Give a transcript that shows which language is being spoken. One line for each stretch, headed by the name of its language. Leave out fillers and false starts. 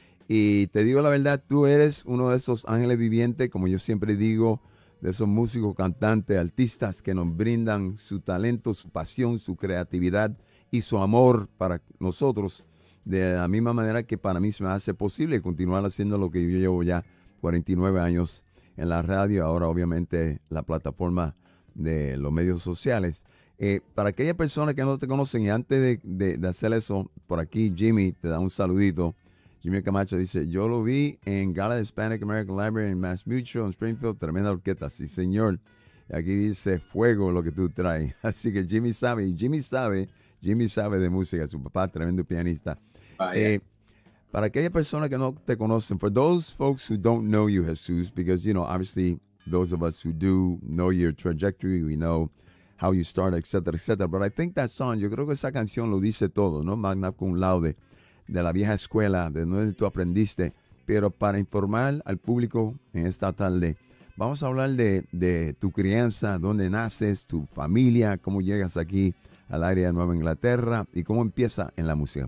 Spanish: Y te digo la verdad, tú eres uno de esos ángeles vivientes, como yo siempre digo, de esos músicos, cantantes, artistas que nos brindan su talento, su pasión, su creatividad y su amor para nosotros, de la misma manera que para mí se me hace posible continuar haciendo lo que yo llevo ya 49 años en la radio, ahora obviamente la plataforma de los medios sociales. Para aquellas personas que no te conocen, y antes de hacer eso, por aquí Jimmy te da un saludito. Jimmy Camacho dice, yo lo vi en Gala Hispanic American Library en Mass Mutual en Springfield. Tremenda orquesta, sí señor. Y aquí dice, fuego lo que tú traes. Así que Jimmy sabe, Jimmy sabe de música. Su papá, tremendo pianista. Para aquella persona que no te conocen,
English: for those folks who don't know you, Jesús, because, you know, obviously, those of us who do know your trajectory, we know how you start, etc., etc. But I think that song,
Spanish: yo creo que esa canción lo dice todo, ¿no? Magna cum laude, de la vieja escuela, de donde tú aprendiste. Pero para informar al público en esta tarde, vamos a hablar de tu crianza, dónde naces, tu familia, cómo llegas aquí al área de Nueva Inglaterra y cómo empieza en la música.